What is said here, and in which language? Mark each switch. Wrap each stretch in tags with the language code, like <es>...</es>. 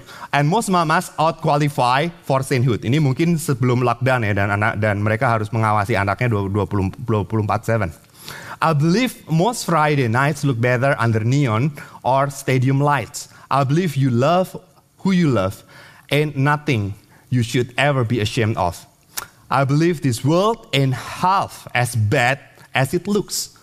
<en>And most mamas out qualify for sainthood.</en> <id>Ini mungkin sebelum lockdown ya, dan mereka harus mengawasi anaknya 24/7.</id> <en>I believe most Friday nights look better under neon or stadium lights. I believe you love who you love and nothing you should ever be ashamed of. I believe this world ain't half as bad as it looks.</en>